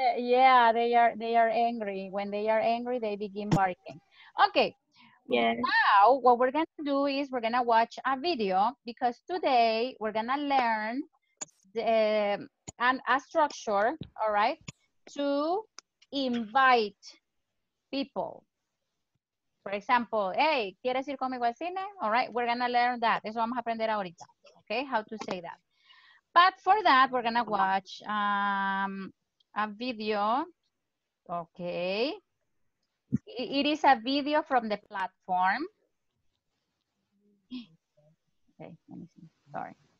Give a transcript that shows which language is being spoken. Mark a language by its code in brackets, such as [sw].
[en] Yeah, they are angry. When they are angry, they begin barking. Okay, yes. Now what we're going to do is we're going to watch a video because today we're going to learn a structure, all right, to invite people. For example, hey, [es] ¿quieres ir conmigo al cine? [en] All right, we're going to learn that. [es] Eso vamos a aprender ahorita, [en] okay, how to say that. But for that, we're going to watch a video, okay. It is a video from the platform. Okay, let me see, sorry.